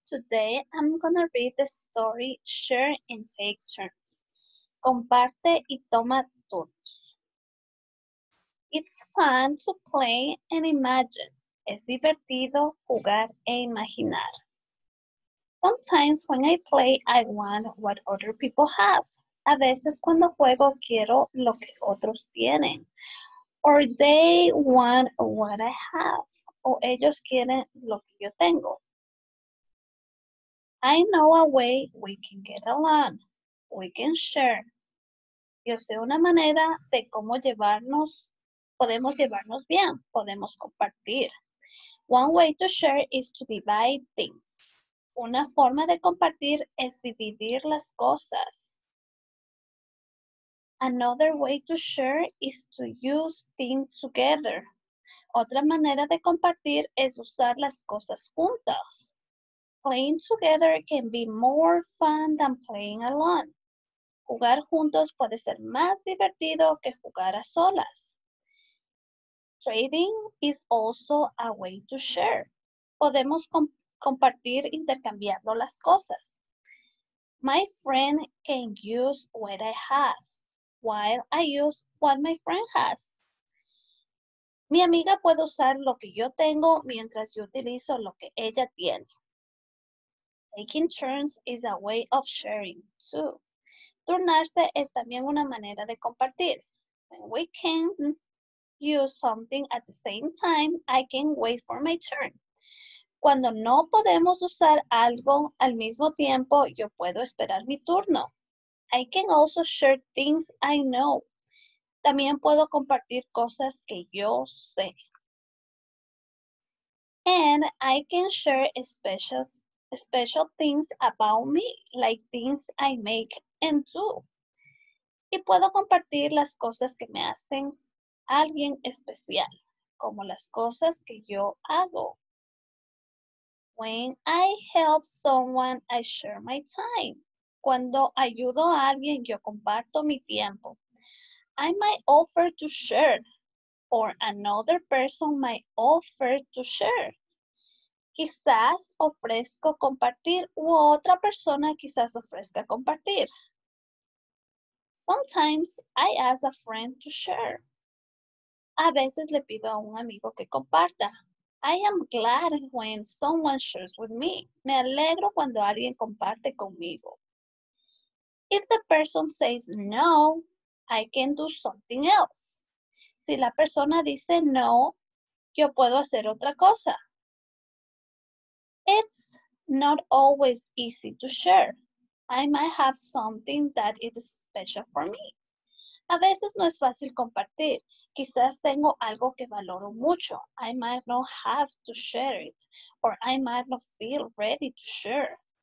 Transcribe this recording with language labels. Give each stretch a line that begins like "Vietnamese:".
English: Today I'm gonna read the story Share and Take Turns.
Spanish: Comparte y toma turnos.
English: It's fun to play and imagine.
Spanish: Es divertido jugar e imaginar.
English: Sometimes when I play, I want what other people have.
Spanish: A veces cuando juego, quiero lo que otros tienen.
English: Or they want what I have.
Spanish: O ellos quieren lo que yo tengo.
English: I know a way we can get along. We can share.
Spanish: Yo sé una manera de cómo llevarnos. Podemos llevarnos bien. Podemos compartir.
English: One way to share is to divide things.
Spanish: Una forma de compartir es dividir las cosas.
English: Another way to share is to use things together.
Spanish: Otra manera de compartir es usar las cosas juntas.
English: Playing together can be more fun than playing alone.
Spanish: Jugar juntos puede ser más divertido que jugar a solas.
English: Trading is also a way to share.
Spanish: Podemos compartir intercambiando las cosas.
English: My friend can use what I have, while I use what my friend has.
Spanish: Mi amiga puede usar lo que yo tengo mientras yo utilizo lo que ella tiene.
English: Taking turns is a way of sharing too.
Spanish: Turnarse es también una manera de compartir.
English: When we can use something at the same time, I can wait for my turn.
Spanish: Cuando no podemos usar algo al mismo tiempo, yo puedo esperar mi turno.
English: I can also share things I know.
Spanish: También puedo compartir cosas que yo sé.
English: And I can share special things about me, like things I make and do.
Spanish: Y puedo compartir las cosas que me hacen alguien especial, como las cosas que yo hago.
English: When I help someone, I share my time.
Spanish: Cuando ayudo a alguien, yo comparto mi tiempo.
English: I might offer to share, or another person might offer to share.
Spanish: Quizás ofrezco compartir, u otra persona quizás ofrezca compartir.
English: Sometimes I ask a friend to share.
Spanish: A veces le pido a un amigo que comparta.
English: I am glad when someone shares with me.
Spanish: Me alegro cuando alguien comparte conmigo.
English: If the person says no, I can do something else.
Spanish: Si la persona dice no, yo puedo hacer otra cosa.
English: It's not always easy to share. I might have something that is special for me.
Spanish: A veces no es fácil compartir. Quizás tengo algo que valoro mucho.
English: I might not have to share it. Or I might not feel ready to share.